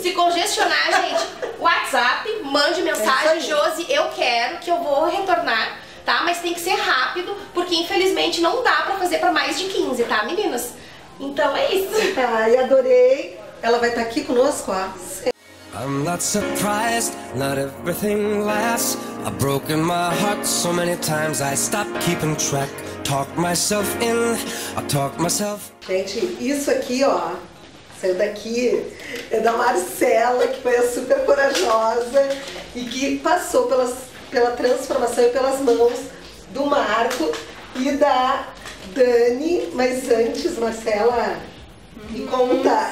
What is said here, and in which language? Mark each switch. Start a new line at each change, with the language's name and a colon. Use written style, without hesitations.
Portuguese: Se congestionar, gente, WhatsApp, mande mensagem, Josi, eu quero que eu vou retornar, tá? Mas tem que ser rápido, porque infelizmente não dá pra fazer pra mais de 15, tá, meninas? Então é isso. Tá, e adorei. Ela vai estar aqui conosco, ó.
English: I'm not surprised, not everything lasts. I've broken my heart so many times I stopped keeping track. Talk myself in, I talk myself.
Portuguese: Gente, isso aqui, ó, saiu daqui, é da Marcela, que foi a super corajosa e que passou pela transformação e pelas mãos do Marco e da Dani. Mas antes, Marcela, me conta.